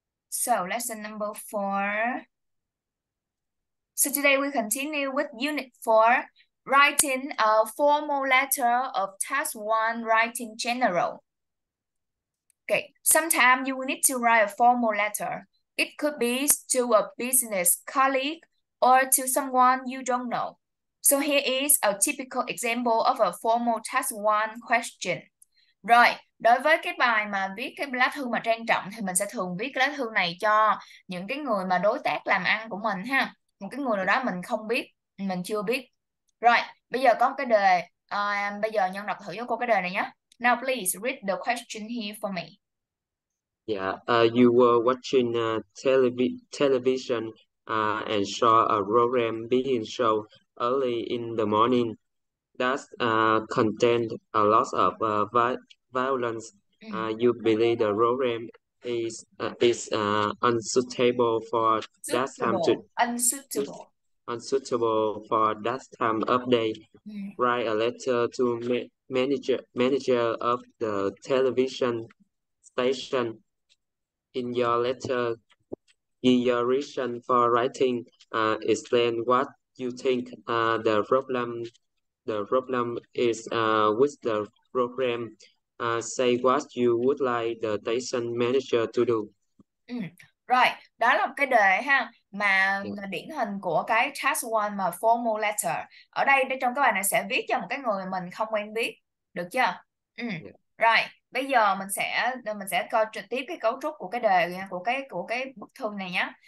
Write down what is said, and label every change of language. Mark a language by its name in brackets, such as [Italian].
[English] So lesson number four. So today we continue with unit four, writing a formal letter of task one, writing general. Okay, sometimes you will need to write a formal letter. It could be to a business colleague or to someone you don't know. So here is a typical example of a formal task one question. [Vietnamese] Rồi, đối với cái bài mà viết cái lá thư mà trang trọng thì mình sẽ thường viết cái lá thư này cho những cái người mà đối tác làm ăn của mình ha. Một cái người nào đó mình không biết, mình chưa biết. Rồi, bây giờ có một cái đề. Bây giờ Nhân đọc thử cho cô cái đề này nhé. [English] Now please read the question here for me. You were watching television and saw a program being shown early in the morning that contained a lot of violence. You believe the program is unsuitable for that time to Unsuitable. unsuitable for that time of day. Write a letter to manager of the television station. In your letter, in your reason for writing, explain what you think the problem is with the program. Say what you would like the station manager to do. [Vietnamese] Rồi, đó là một cái đề ha, mà điển hình của cái task one mà formal letter. Ở đây trong cái bài này sẽ viết cho một cái người mình không quen biết, được chưa? Ừ. Rồi, bây giờ mình sẽ coi trực tiếp cái cấu trúc của cái đề của cái bức thư này nhé.